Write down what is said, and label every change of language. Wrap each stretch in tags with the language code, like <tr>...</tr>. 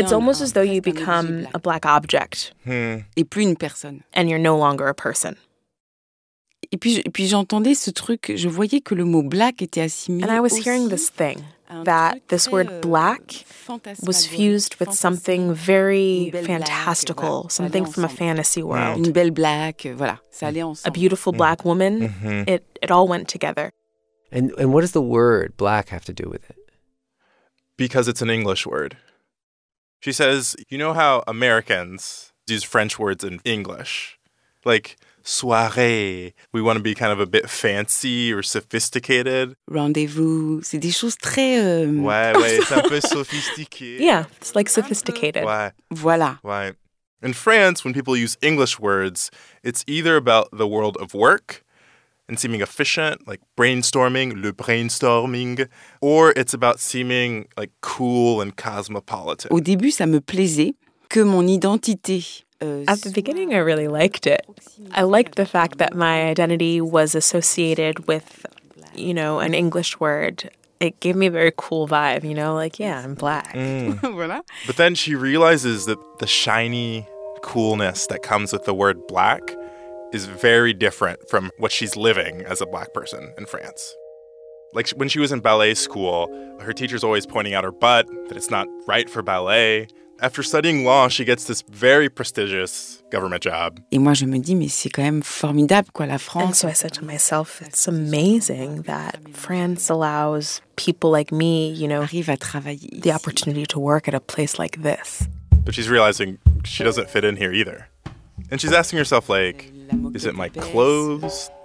<en>it's almost as though you become a black object.</en> <fr>Et plus une personne.</fr> <en>And you're no longer a person.</en> <fr>Et puis, j'entendais ce truc, je voyais que le mot black était assimilé.</fr> <en>And I was hearing this thing, that this word black was fused with something very fantastical, something from a fantasy world.</en> <fr>Une belle black, voilà, ça allait ensemble.</fr> <en>A beautiful black woman, it all went together. And what does the word black have to do with it? Because it's an English word. She says, you know how Americans use French words in English? Like, soirée. We want to be kind of a bit fancy or sophisticated.</en> <fr>Rendez-vous. C'est des choses très... Ouais, ouais, c'est un peu sophistiqué.</fr> <en>Yeah, it's like sophisticated.</en> <fr>Ouais. Voilà. Ouais.</fr> <en>In France, when people use English words, it's either about the world of work and seeming efficient, like brainstorming, le brainstorming, or it's about seeming like cool and cosmopolitan.</en> <fr>Au début, ça me plaisait que mon identité...</fr> <en>At the beginning, I really liked it. I liked the fact that my identity was associated with, you know, an English word. It gave me a very cool vibe, you know, like, yeah, I'm black.</en> <fr>Voilà.</fr> <en>But then she realizes that the shiny coolness that comes with the word black is very different from what she's living as a black person in France. Like, when she was in ballet school, her teacher's always pointing out her butt, that it's not right for ballet. After studying law, she gets this very prestigious government job.</en> <fr>Et moi, je me dis, mais c'est quand même formidable, quoi, la France.</fr> <en>And so I said to myself, it's amazing that France allows people like me, you know,</en> <fr>arrive à travailler</fr> <en>the opportunity to work at a place like this. But she's realizing she doesn't fit in here either. And she's asking herself, like, is it my clothes?</en>